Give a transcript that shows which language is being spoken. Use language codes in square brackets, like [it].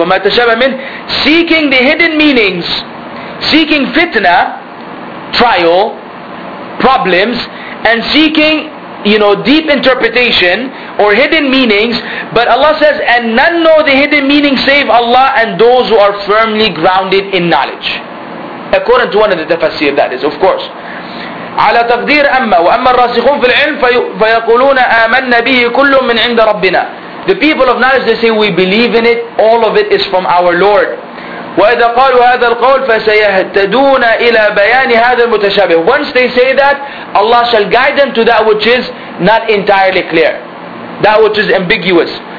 [en] Seeking the hidden meanings, seeking fitna, trial, problems, and seeking, you know, deep interpretation or hidden meanings. But Allah says, and none know the hidden meaning save Allah and those who are firmly grounded in knowledge. According to one of the tafsir, that is, of course. [ar] على تقدير أما وأما الراسخون في العلم فيقولون آمنا به كل من عند ربنا. [en] The people of knowledge, they say, we believe in it, all of it is from our Lord. [ar] وَإِذَا قَالُوا هَذَا الْقَوْلِ فَسَيَهْتَدُونَ إِلَىٰ بَيَانِ هَذَا الْمُتَشَابِهِ. [en] Once they say that, Allah shall guide them to that which is not entirely clear, that which is ambiguous.